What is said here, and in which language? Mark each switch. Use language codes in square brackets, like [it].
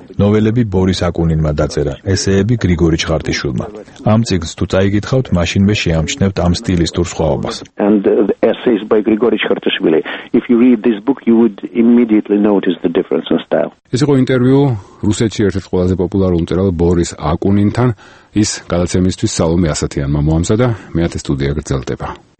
[ka] Novelebi Boris აკუნინმა დაწერა, ესეები გრიგორი ჩხარტიშვილმა. ამ წიგნს თუ წაიგითხავთ, მაშინვე შეამჩნევთ ამ სტილისტურ სხვაობას. [en] And the essays by Grigori Chartishvili. If you read this book, you would immediately notice the difference in style. [ka] ეს იყო ინტერვიუ რუსეთში ერთ-ერთ ყველაზე პოპულარულ მწერალ ბორის აკუნინთან. ის გადაცემისთვის სალომე ასათიანმა მოამზადა, მეათე სტუდია გრძელდება.